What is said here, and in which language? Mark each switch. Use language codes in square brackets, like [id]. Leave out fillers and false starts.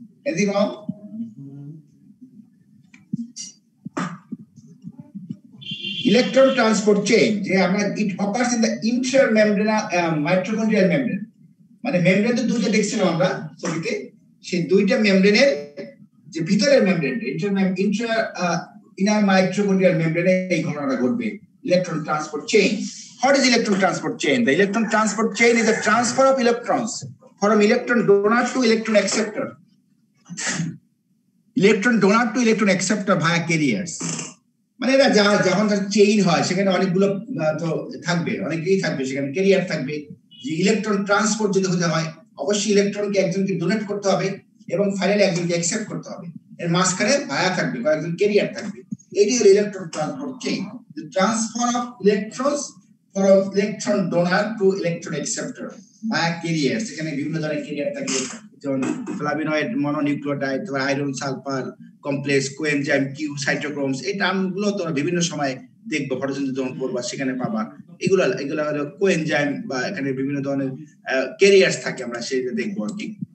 [bn] AG রং electron transport chain, যে আমরা [en] it occurs in the inter membrane mitochondrial membrane, [bn] মানে membrane তো দুটো দেখছিলাম আমরা ছবিতে, সেই দুইটা মেমব্রেনের যে ভিতরের মেমব্রেন ইন্টার মাইটোকন্ড্রিয়াল মেমব্রেনে এই ঘটনাটা ঘটবে electron transport chain. [en] What is electron transport chain? The electron transport chain is a transfer of electrons from electron donor to electron acceptor. Electron donor to electron acceptor via carriers. [bn] মানে এটা যা যখন তার chain হয় সেখানে অনেকগুলো তো থাকবে, অনেকেই থাকবে সেখানে, ক্যারিয়ার থাকবে। যে ইলেকট্রন ট্রান্সপোর্ট যদি হতে হয় অবশ্যই ইলেকট্রনকে একজনকে ডোনেট করতে হবে এবং ফাইনালি একজনকে অ্যাকসেপ্ট করতে হবে, এর মাঝখানে ভায়া থাকবে বা একজন ক্যারিয়ার থাকবে। এটি হলো electron transport chain, [en] the transfer of electrons from electron donor to electron acceptor by carrier. [bn] সেখানে বিভিন্ন ধরনের carrier থাকে, যেমন flavonoid, mononucleotide, তারপর iron sulfur complex, coenzyme Q, cytochromes, এই টার্মগুলো তোমরা বিভিন্ন সময় দেখবো ফটোসিনথেসিস যখন করবা সেখানে পাবা। এগুলো হলো কোএনজাইম বা এখানে বিভিন্ন ধরনের carriers থাকে, আমরা সেটা দেখবো আর কি।